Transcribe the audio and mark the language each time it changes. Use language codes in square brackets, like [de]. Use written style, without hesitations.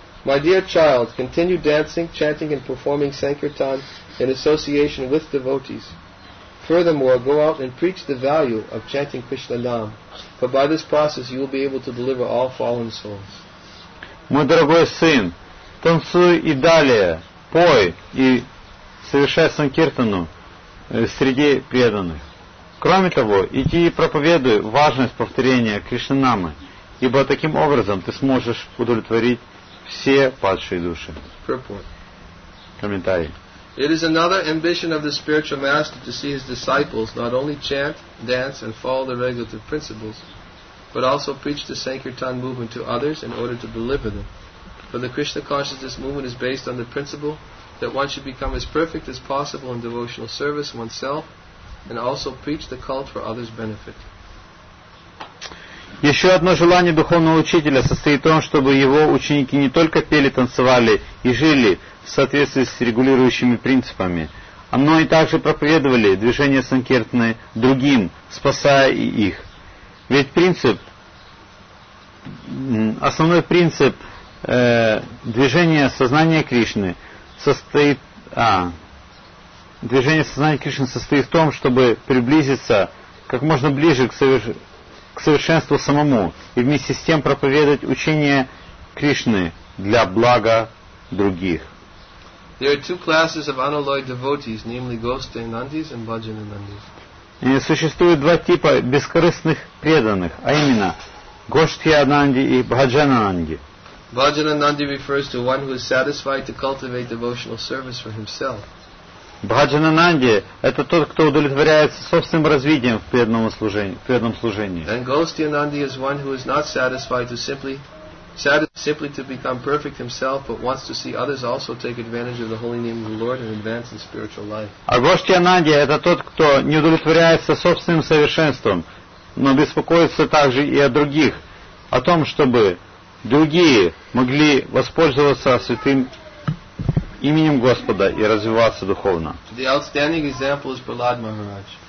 [en] My dear child, continue dancing, chanting and performing sankirtan in association with devotees. Furthermore, go out and preach the value of chanting Krishna Nam, for by this process you will be able to deliver all fallen souls. [ru] Мой дорогой сын, танцуй и далее, пой и совершай санкиртану среди преданных. Кроме того, иди и проповедуй важность повторения Кришна Намы, ибо таким образом ты сможешь удовлетворить все падшие души. Комментарий. [en] It is another ambition of the spiritual master to see his disciples not only chant, dance, and follow the regulative principles, but also preach the Sankirtan movement to others in order to deliver them. For the Krishna consciousness movement is based on the principle that one should become as perfect as possible in devotional service oneself, and also preach the cult for others' benefit. [ru] Еще одно желание духовного учителя состоит в том, чтобы его ученики не только пели, танцевали и жили в соответствии с регулирующими принципами, но и также проповедовали движение санкиртаны другим, спасая и их. Ведь принцип, основной принцип движения сознания Кришны состоит, движение сознания Кришны состоит в том, чтобы приблизиться как можно ближе к совершенству самому и вместе с тем проповедовать учение Кришны для блага других. [en] There are two classes of unalloyed devotees, namely Gostainandis and Bhajanandis. [ru] Существует два типа бескорыстных преданных, а именно Гоштхиананди и Бхаджананди. [en] Bhajanandi refers to one who is satisfied to cultivate devotional service for himself. [ru] Бхаджананди – это тот, кто удовлетворяется собственным развитием в преданном служении. [en] And Gostainandi is one who is not satisfied to simply to become perfect himself, but wants to see others also take advantage of the holy name of the Lord and advance in spiritual life. [ru] Агоштхиананди – это тот, кто не удовлетворяется собственным совершенством, но беспокоится также и о других, о том, чтобы другие могли воспользоваться святым именем Господа и развиваться духовно. [en] The outstanding example is Prahlad Maharaj.